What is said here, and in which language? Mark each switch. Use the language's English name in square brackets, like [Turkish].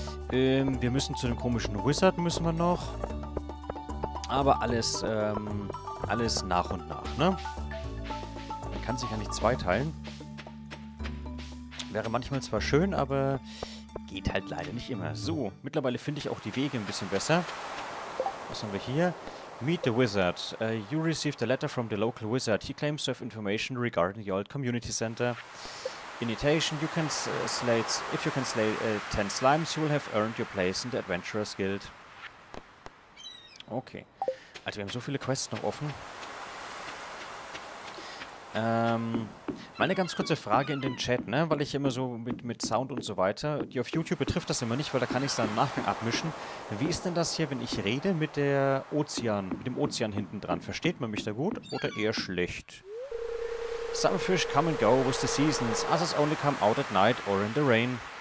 [German] Wir müssen zu dem komischen Wizard müssen wir noch. Aber alles, alles nach und nach, ne? Man kann sich ja nicht zweiteilen. Wäre manchmal zwar schön, aber geht halt leider nicht immer. So, mittlerweile finde ich auch die Wege ein bisschen besser. Was haben wir hier? [English] Meet the Wizard. You received a letter from the local wizard. He claims to have information regarding the old community center. Initiation, you can slay... If you can slay 10 slimes, you will have earned your place in the Adventurer's Guild. Okay. [German] Also wir haben so viele Quests noch offen. Meine ganz kurze Frage in den Chat, ne? Weil ich immer so mit Sound und so weiter... Die auf YouTube betrifft das immer nicht, weil da kann ich es dann im Nachgang abmischen. Wie ist denn das hier, wenn ich rede mit der Ozean, mit dem Ozean hinten dran? Versteht man mich da gut oder eher schlecht? [English] Some fish come and go with the seasons. Others only come out at night or in the rain.